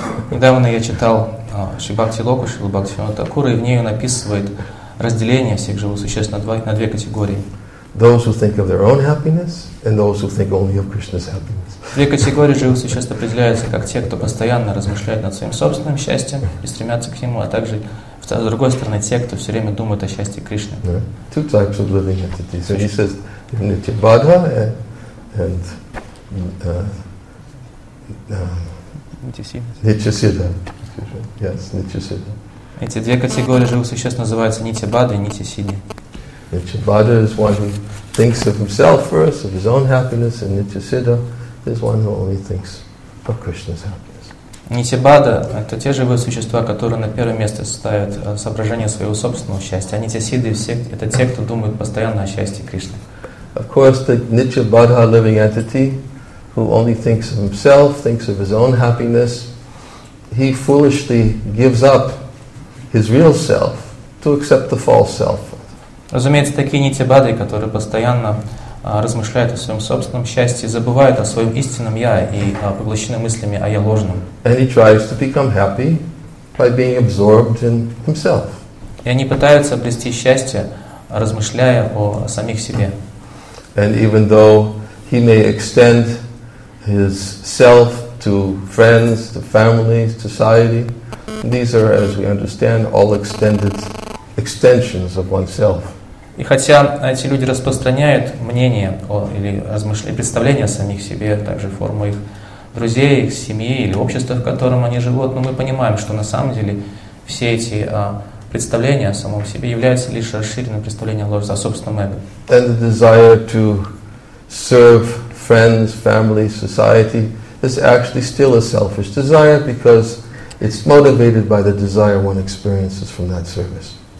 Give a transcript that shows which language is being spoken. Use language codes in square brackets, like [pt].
[ru] Недавно я читал Шри Бхакти Лока, Шрила Бхакти Винод Такура, и в ней он описывает разделение всех живых существ на две категории. [en] Those who think of their own happiness and those who think only of Krishna's happiness. [ru] Две категории живых существ определяются как те, кто постоянно размышляет над своим собственным счастьем и стремятся к нему, а также, с другой стороны, те, кто все время думает о счастье Кришны. [en] Yeah. Two types of living entities. So he says, Nityabhadha and Nityasiddha. Yes, Nityasiddha. [ru] Эти две категории живых существ называются Нитибхадха и Нитисиддха. [en] Nityabhadha is one who thinks of himself first, of his own happiness, and Nityasiddha is one who only thinks of Krishna's happiness. [ru] Нитибхадха — это те живые существа, которые на первое место ставят соображение своего собственного счастья, а Нитисиддха — это те, кто думает постоянно о счастье Кришны. [en] Of course, the Nityabhadha living entity, who only thinks of himself, thinks of his own happiness, he foolishly gives up his real self to accept the false self. [ru] Разумеется, такие нитибхадхи, которые постоянно размышляют о своем собственном счастье, забывают о своем истинном «я» и поглощены мыслями о «я» ложном. [en] And he tries to become happy by being absorbed in himself. [ru] И они пытаются обрести счастье, размышляя о самих себе. [en] And even though he may extend his self to friends, to family, society, these are, as we understand, all extended extensions of oneself. [ru] И хотя эти люди распространяют мнение или размышления, представления о самих себе, также форму их друзей, их семьи или общества, в котором они живут, но мы понимаем, что на самом деле все эти представления о самом себе являются лишь расширенным представлением ложь о собственном эго. [en] And the desire to serve friends, family, society is actually still a selfish desire because it's motivated by the desire one experiences from that service.